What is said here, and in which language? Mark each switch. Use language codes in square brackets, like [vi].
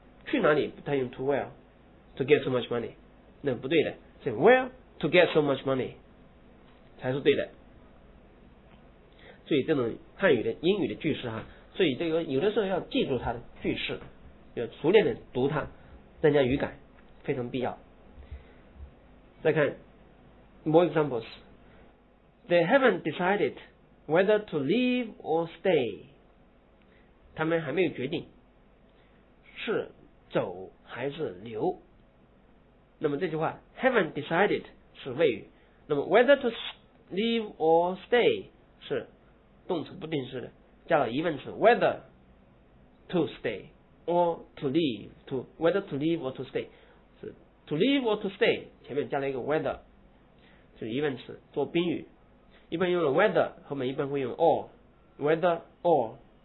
[zh] 去哪里不太用 [en] to where to get so much money， [zh] 那不对的，是 [en] where to get so much money。 [zh] 才是对的。所以这种汉语的英语的句式哈，所以这个有的时候要记住它的句式，要熟练的读它，增加语感非常必要。再看 [en] more examples. They haven't decided whether to leave or stay. [zh] 他们还没有决定是走还是留。那么这句话 [en] haven't decided [zh] 是谓语，那么 [en] whether to leave or stay [zh] 是动词不定式的，加了疑问词 [en] whether to stay or to leave, to whether to leave or to stay [zh] 是 [en] to leave or to stay, [zh] 前面加了一个 whether 是疑问词做宾语，一般用了 whether 后面一般会用 or [en] whether or。